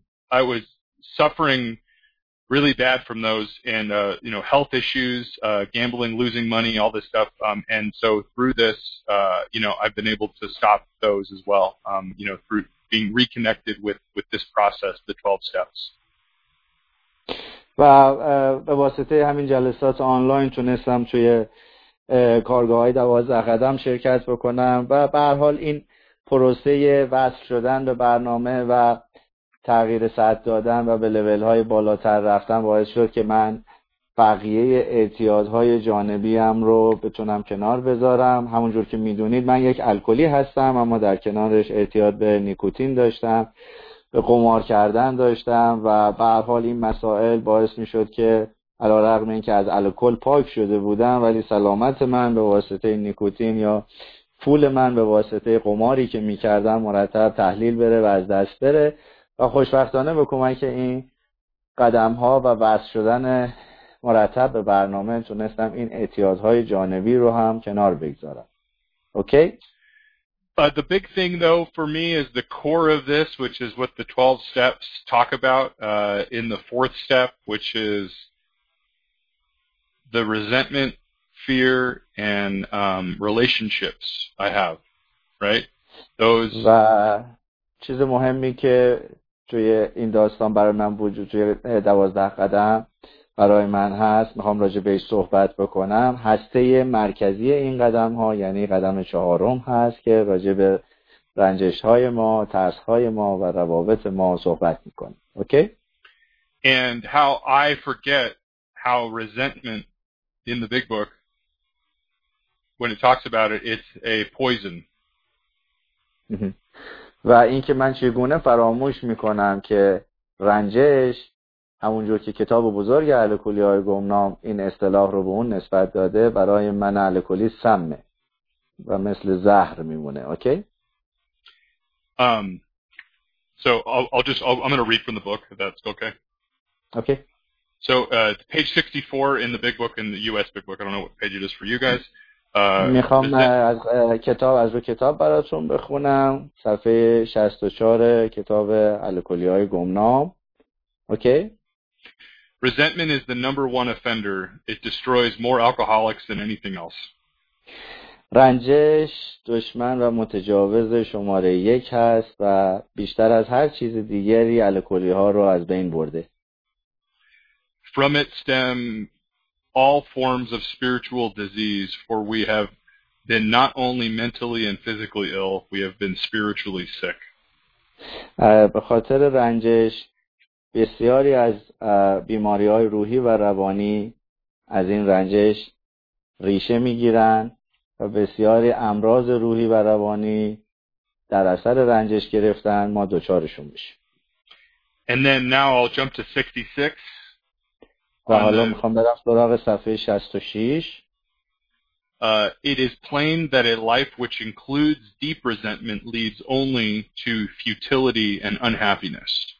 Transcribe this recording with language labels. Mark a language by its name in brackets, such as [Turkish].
[English] I was suffering really bad from those, and you know, health issues, gambling, losing money, all this stuff. And so through this, you know, I've been able to stop those as well. You know, through being reconnected with this process, the 12 steps. Well, [Persian] به واسطه همین جلسات آنلاین تونستم توی کارگاه‌های 12 قدم شرکت بکنم و به هر حال این پروسه وصل شدن به برنامه و تغییر سطح دادن و به لول‌های بالاتر رفتن باعث شد که من بقیه اعتیادهای جانبی هم رو بتونم کنار بذارم. همونجور که میدونید من یک الکلی هستم، اما در کنارش اعتیاد به نیکوتین داشتم، به قمار کردن داشتم و به هر حال این مسائل باعث میشد که علی رغم اینکه از الکل پاک شده بودم، ولی سلامت من به واسطه نیکوتین یا پول من به واسطه قماری که میکردم مرتب تحلیل بره و از دست بره. و خوشبختانه به کمک این قدم‌ها و وصل شدن مرتب به برنامه تونستم این اعتیادهای جانبی رو هم کنار بگذارم. [English] Okay? The big thing though for me is the core of this, which is what the 12 steps talk about in the fourth step, which is the resentment, fear and relationships I have, right? Those [Persian] و چیز مهمی که توی این داستان برای من وجود توی 12 قدم برای من هست، میخوام راجع بهش صحبت بکنم. هسته مرکزی این قدم ها یعنی قدم چهارم هست که راجع به رنجش های ما، ترس های ما و روابط ما صحبت میکنه. [English] Okay? And how I forget how resentment in the big book when it talks about it, it's a poison. [Persian] و اینکه من چگونه فراموش میکنم که رنجش، همونجور که کتاب بزرگ الکلی‌های گمنام این اصطلاح رو به اون نسبت داده، برای من الکلی سمه و مثل زهر میمونه. [English] Okay? So I'm going to read from the book, if that's okay. Okay. So page 64 in the big book, in the US big book, I don't know what page it is for you guys. [Persian] میخوام از کتاب از رو کتاب براتون بخونم، صفحه 64 کتاب الکلی‌های گمنام. [English] Okay? Resentment is the number one offender. It destroys more alcoholics than anything else. [Persian] رنجش دشمن و متجاوز شماره یک هست و بیشتر از هر چیز دیگری الکلی ها رو از بین برده. [English] From it stem all forms of spiritual disease, for we have been not only mentally and physically ill, we have been spiritually sick. [Persian] به خاطر رنجش بسیاری از بیماری‌های روحی و روانی از این رنجش ریشه می‌گیرند و بسیاری امراض روحی و روانی در اثر رنجش گرفتن ما دچارشون بشیم. [English] And then now I'll jump to 66. [Persian] و حالا می‌خوام برم سراغ صفحه 66. [English] It is plain that a life which includes deep resentment leads only to futility and unhappiness.